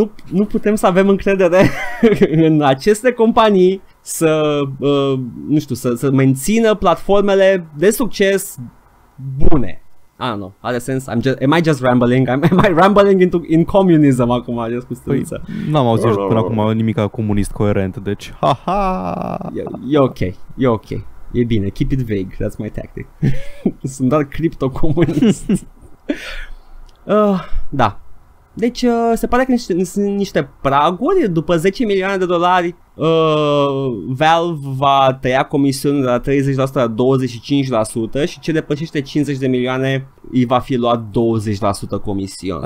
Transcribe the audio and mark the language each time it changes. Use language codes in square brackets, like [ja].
[ro] Nu putem să avem încredere în aceste companii să, să mențină platformele de succes bune. [en] I don't know, [ro] are sens? [en] Am I just rambling in communism acum, just cu stâniță? [ro] Păi, n-am auzit până acum nimic comunist coerent, deci ha-ha! E ok. E bine, [en] keep it vague, that's my tactic. [ro] Sunt doar criptocomunist. Da. Deci se pare că sunt niște praguri. După 10 milioane de dolari, Valve va tăia comisiuni de la 30% la 25% și ce depășește 50 de milioane îi va fi luat 20% comision.